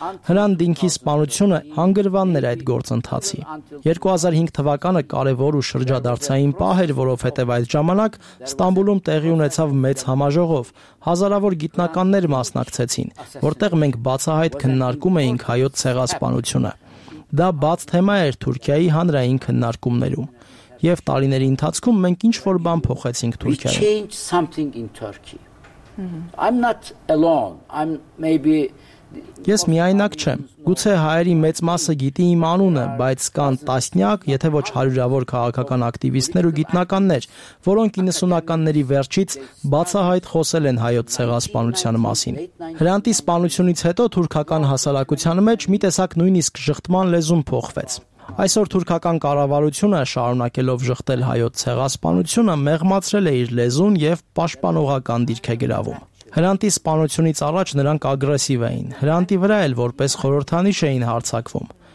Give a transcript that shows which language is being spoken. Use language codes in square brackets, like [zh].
[hy] Հրանտ Դինքի սպանությունը հանգրվանն էր այդ գործընթացի։ 2005 թվականը կարևոր ու շրջադարձային պահ էր, որովհետև այդ ժամանակ Ստամբուլում տեղի ունեցավ մեծ համաժողով, հազարավոր գիտնականներ մասնակցեցին, որտեղ մենք բացահայտ քննարկում էինք հայոց ցեղասպանությունը։ Դա բաց թեմա էր Թուրքիայի հանրային քննարկումներում, եւ տարիների ընթացքում մենք ինչ որ բան փոխեցինք Թուրքիայում։ [en] I'm not alone. I'm maybe [hy] Ես միայնակ չեմ։ Գուցե հայերի մեծ մասը գիտի իմ անունը, բայց կան տասնյակ, եթե ոչ հարյուրավոր քաղաքական ակտիվիստներ ու գիտնականներ, որոնք 90-ականների վերջից բացահայտ խոսել են հայոց ցեղասպանության մասին։ Հրանտի սպանությունից հետո թուրքական հասարակության մեջ մի տեսակ նույնիսկ ժխտման լեզուն փոխվեց։ Այսօր թուրքական կառավարությունը, շարունակելով ժխտել հայոց ցեղասպանությունը, մեղմացրել է իր լեզուն եւ պաշտպանողական դիրք է գրավում։ Հրանտի սպանությունից առաջ նրանք ագրեսիվ էին, Հրանտի վրա էլ որպես խորհրդանիշ էին հարցակվում։